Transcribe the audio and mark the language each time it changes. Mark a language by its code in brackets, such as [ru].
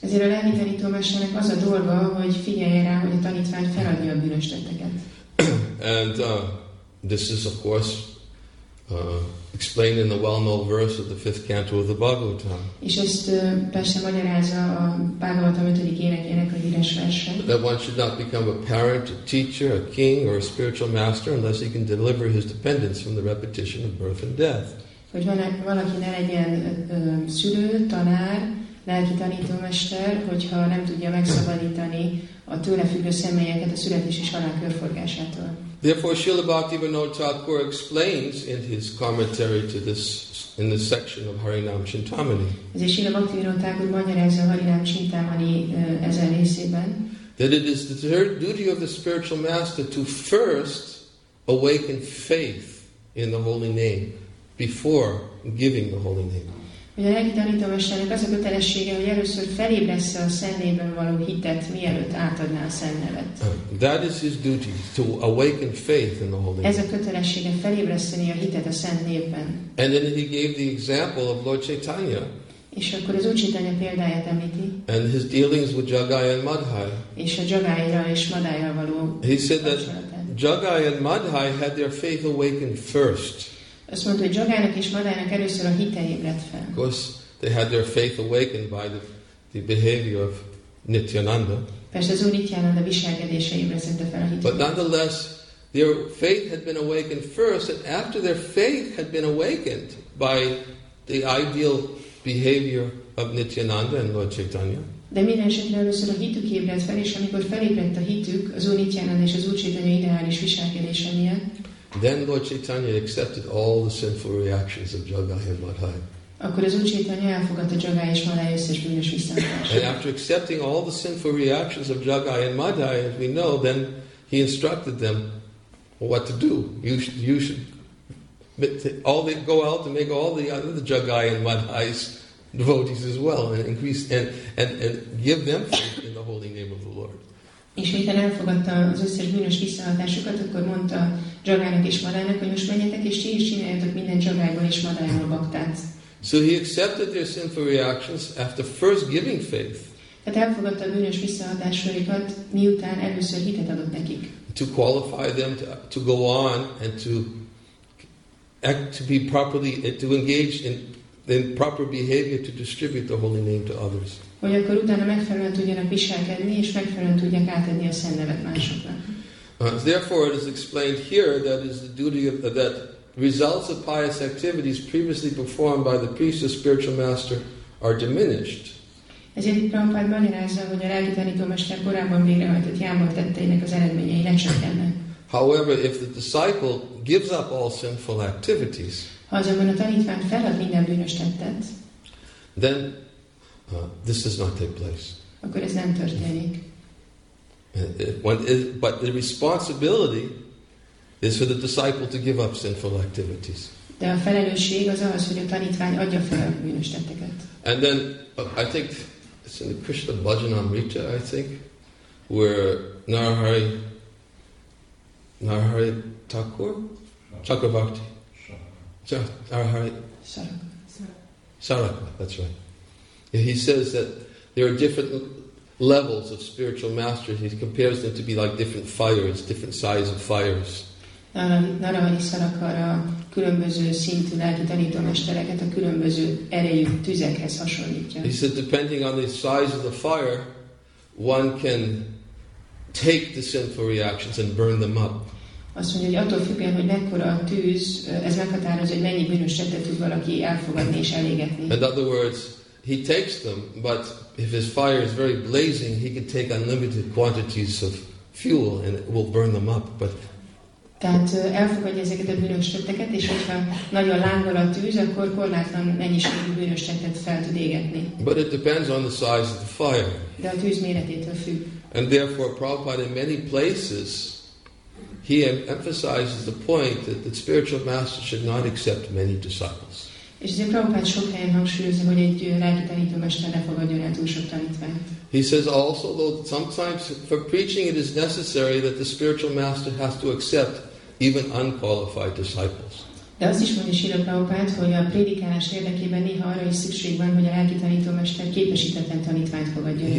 [en] And this is, of course, explained in the well-known verse of the fifth canto of the Bhagavatam. That one should not become a parent, a teacher, a king, or a spiritual master unless he can deliver his dependents from the repetition of birth and death. [hu] Hogy valaki ne legyen szülő, tanár, lelki tanítómester, hogyha nem tudja megszabadítani a tőle függő személyeket a születés és halál körforgásától. [en] Therefore, Srila Bhaktivinoda Thakur explains in his commentary to this, in this section of Harinam Chintamani. [hu] Ezért Srila Bhaktivinoda Thakur magyarázza a Harinam Chintamani ezen részében. [en] That it is the duty of the spiritual master to first awaken faith in the holy name before giving the holy name. [hu] Ugye a lelki tanítómesternek az a kötelessége, hogy először felébressze a szent névben való hitet, mielőtt átadná a szent nevet. [en] That is his duty, to awaken faith in the holy name. [hu] Ez a kötelessége, felébreszteni a hitet a szent névben. [en] And then he gave the example of Lord Chaitanya. [hu] És akkor az Úr Chaitanya példáját említi. [en] And his dealings with Jagai and Madhai. [hu] És a Jagaira és Madhaira való. [en] He said that Jagai and Madhai had their faith awakened first. [hu] Azt mondta, hogy Jagának és Madhának először a hite ébredt fel. [en] Of course, they had their faith awakened by the behavior of Nityananda. [hu] Persze az Úr Nityananda viselkedése ébresztette fel a hitet. [en] But nonetheless, their faith had been awakened first, and after their faith had been awakened by the ideal behavior of Nityananda and Lord Chaitanya. [hu] De minden esetre először a hitük ébredt fel, és amikor felébredt a hitük az Úr Nityananda és az Úr Chaitanya ideális viselkedése miatt, [en] then Lord Chaitanya accepted all the sinful reactions of Jagai and Madhai. And after accepting all the sinful reactions of Jagai and Madhai, as we know, then he instructed them what to do. You should go out and make all the other Jagai and Madhai's devotees as well, and give them faith in the holy name of the Lord. [hu] És miután elfogadta az összes bűnös visszahatásokat, akkor mondta Jagának és Madhának, hogy most menjetek, és ti is csináljátok minden Jagáiból és Madhaiból baktát. [en] So he accepted their sinful reactions after first giving faith. [hu] Tehát elfogadta a bűnös visszahatásokat, miután először hitet adott nekik. [en] To qualify them to go on and to act to be properly, to engage in proper behavior to distribute the holy name to others. [hu] Hogy akkor utána megfelelően tudjanak viselkedni, és megfelelően tudják átadni a szent nevet másoknak. [en] Therefore, it is explained here that is the duty of that results of pious activities previously performed by the priest or spiritual master are diminished. [hu] Ezért itt Prabhupád magyarázza, hogy a lelki tanítómester korábban végrehajtott jámbor tetteinek az eredményei lecsökkennek. [en] However, if the disciple gives up all sinful activities, [hu] ha azonban a tanítvány felad minden bűnös tettet, [en] then this does not take place. [hu] Akkor ez nem történik. [en] But the responsibility is for the disciple to give up sinful activities. [hu] De a felelősség az ahhoz, hogy a tanítvány adja fel a bűnös tetteket. [en] And then I think it's in the Krishna Bhajanamrita, I think, where Narahari Thakur, Chakravarti, Narahari Saraka, that's right. And he says that there are different levels of spiritual masters. He compares them to be like different fires, different size of fires. [hu] Narahari Sarakar a különböző szintű lelki tanítómestereket a különböző erejű tüzekhez hasonlítja. [en] He said, depending on the size of the fire, one can take the sinful reactions and burn them up. [hu] Azt mondja, hogy attól függően, hogy mekkora a tűz, ez meghatároz, hogy mennyi bűnös tettet tud valaki elfogadni és elégetni. [en] In other words, he takes them, but if his fire is very blazing, he can take unlimited quantities of fuel and it will burn them up, but [hu] tehát elfogadja ezeket a bűnös tetteket, és hogyha nagyon lángol a tűz, akkor korlátlan mennyiségű bűnös tettet fel tud égetni. [en] But it depends on the size of the fire. [hu] De a tűz méretétől függ. [en] And therefore, Prabhupada, in many places, he emphasizes the point that the spiritual master should not accept many disciples. [hu] És ezért Prabhupada sok helyen hangsúlyozza, hogy egy lelki tanítómester ne fogadjon el túl sok tanítványt. [en] He says also, though, sometimes for preaching it is necessary that the spiritual master has to accept even unqualified disciples. [hu] De azt is mondja Srila Prabhupada, hogy a prédikálás érdekében néha arra is szükség van, hogy a lelki tanítómester képesítetlen tanítványt fogadjon el.